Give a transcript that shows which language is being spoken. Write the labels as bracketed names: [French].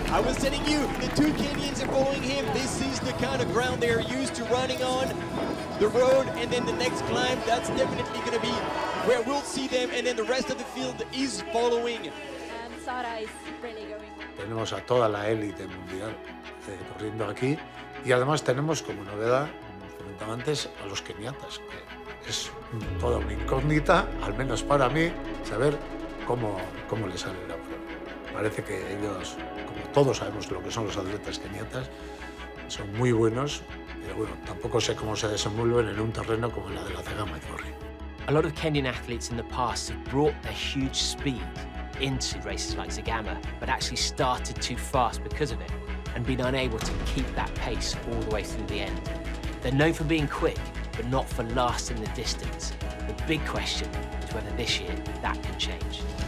[English] I was telling you, the two Kenyans are following him. This is the kind of ground they are used to running on. The road and then the next climb, that's definitely going to be where we'll see them. And then the rest of the field is following. And Sara is really going. [Spanish] Tenemos a toda la élite mundial corriendo aquí. Y además tenemos como novedad, como comentaba antes, a los keniatas. Que es toda una incógnita, al menos para mí, saber cómo les sale la prueba. Parece que ellos, como todos sabemos lo que son los atletas keniatas, son muy buenos, pero bueno, tampoco sé cómo se desenvuelven en un terreno como el de la Cegama Idigorri. [English] A lot of Kenyan athletes in the past have brought their huge speed into races like Cegama, but actually started too fast because of it and been unable to keep that pace all the way through the end. They're known for being quick, but not for lasting the distance. The big question is whether this year that can change.